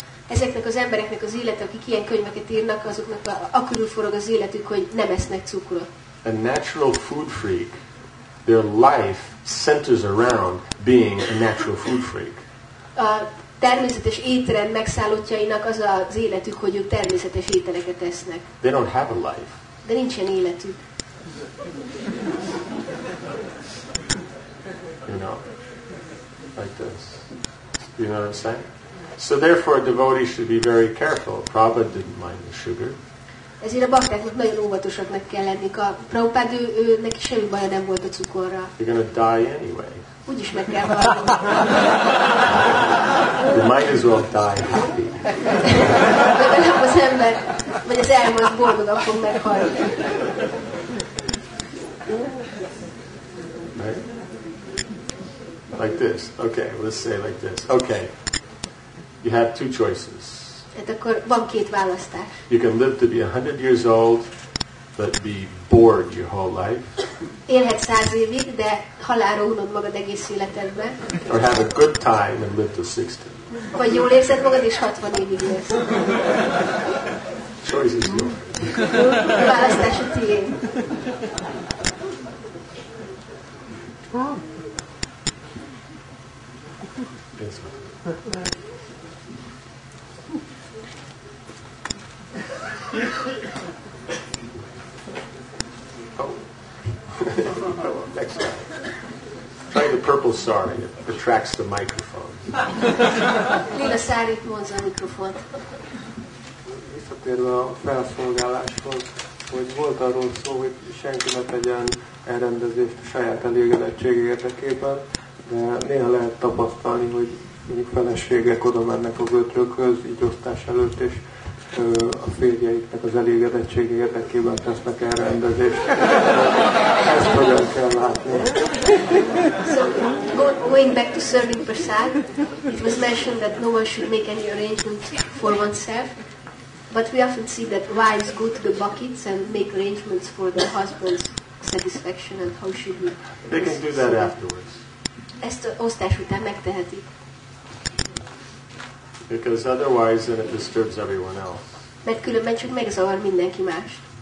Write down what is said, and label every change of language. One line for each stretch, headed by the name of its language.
Hungarian: Ezeknek az embereknek az élete, akik ilyen könyveket írnak, azoknak a körül forog az életük, hogy nem esznek cukrot.
English: A natural food freak, their life centers around being a natural food freak.
Hungarian: Természetes étrend megszállottjainak az az életük, hogy ők természetes ételeket esznek.
English: They don't have a life.
Hungarian: De nincsen életük.
English: You know, like this. You know what I'm saying? So therefore a devotee should be very careful. Prabhupada didn't mind the sugar.
Hungarian: Ezért a baktáknak nagyon óvatosaknak kell lenni. A Prabhupada, ő neki semmi baja nem volt a cukorral.
English: You're gonna die anyway.
Hungarian: Úgyis meg kell halni.
English: You might as well die happy.
Hungarian: Az ember, vagy az elmúlt boldogan fog meghalni.
English: Like this. Okay, let's say like this. Okay. You have two choices.
Hungarian: Hát akkor van két választás.
English: You can live to be 100 years old, but be bored your whole life.
Hungarian: Élhet 100 évig, de halálra unod magad egész életedben.
English: Or have a good time and live to 60.
Hungarian: Vagy jól érzed magad, és 60 évig élsz.
English: Choice is yours.
Hungarian: Választás a tiéd.
English: Next slide. Try the purple sari. It attracts the microphone.
Hungarian: Lila sari vonza a mikrofont. Visszatérve a felszolgáláshoz, hogy volt arról szó, hogy senki ne tegyen elrendezést a saját elégedettség érdekében, de néha lehet tapasztalni, hogy mondjuk feleségek oda mennek a gödrökhöz, így osztás előtt, és a férjeiknek az elégedettség érdekében tesznek el rendezést. Ezt hogyan kell látni?
English: So, going back to serving Prasad, it was mentioned that no one should make any arrangement for oneself, but we often see that wives go to the buckets and make arrangements for their husband's satisfaction and how should we... They can do that afterwards.
Hungarian: Ezt osztás után megtehetik.
English: Because otherwise then it disturbs everyone else.
Hungarian: Mert különben csak megzavar mindenki mást.